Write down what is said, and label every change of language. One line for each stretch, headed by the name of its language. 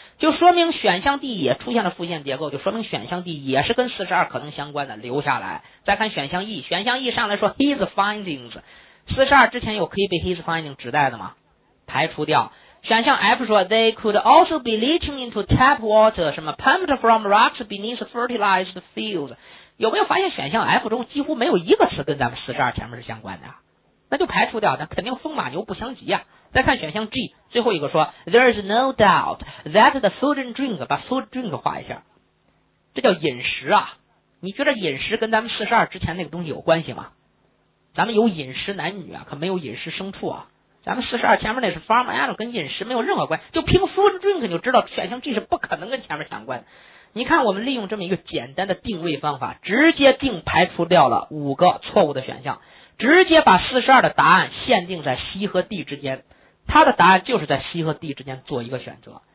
Chinese: 就说明选项 D 也出现了复线结构，就说明选项 D 也是跟42可能相关的，留下来。再看选项 E， 选项 E 上来说 his findings， 42之前有可以被 his findings 指代的吗？排除掉。选项 F 说
English: they could also be leaching into tap water
Chinese: 什么
English: pumped from rocks beneath fertilized fields。
Chinese: 有没有发现选项 F 中几乎没有一个词跟咱们42前面是相关的？那就排除掉，那肯定风马牛不相及啊。再看选项 G， 最后一个说
English: there is no doubt that the food and drink，
Chinese: 把 food drink 画一下，这叫饮食啊。你觉得饮食跟咱们42之前那个东西有关系吗？咱们有饮食男女啊，可没有饮食牲畜啊。咱们42前面那是 farm animal， 跟饮食没有任何关系，就凭 food drink 你就知道选项 G 是不可能跟前面相关的。你看我们利用这么一个简单的定位方法，直接定排除掉了五个错误的选项，直接把42的答案限定在 C 和 D 之间，它的答案就是在 C 和 D 之间做一个选择。